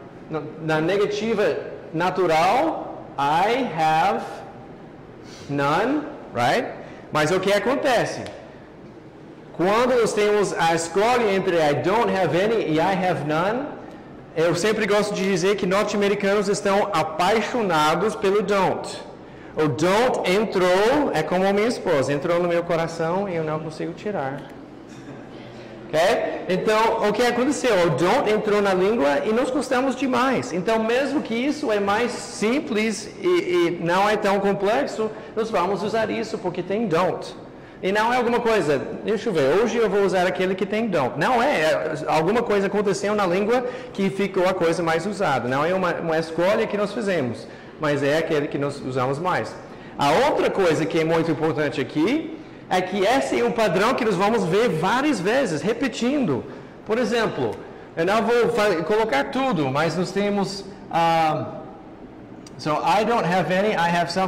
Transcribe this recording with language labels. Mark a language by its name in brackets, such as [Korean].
[Portuguese] Na negativa natural, [English] I have none, right? [Portuguese] Mas o que acontece? Quando nós temos a escolha entre [English] I don't have any [Portuguese] e [English] I have none, [Portuguese] eu sempre gosto de dizer que norte-americanos estão apaixonados pelo don't. O don't entrou é como a minha esposa. Entrou no meu coração e eu não consigo tirar. Ok? Então, o que aconteceu? O don't entrou na língua e nós gostamos demais. Então, mesmo que isso é mais simples e não é tão complexo, nós vamos usar isso porque tem don't. E não é alguma coisa, deixa eu ver, hoje eu vou usar aquele que tem don't. Não é, é alguma coisa aconteceu na língua que ficou a coisa mais usada. Não é uma escolha que nós fizemos, mas é aquele que nós usamos mais. A outra coisa que é muito importante aqui é que esse é um padrão que nós vamos ver várias vezes, repetindo. Por exemplo, eu não vou colocar tudo, mas nós temos... [English] So, I don't have any, I have some.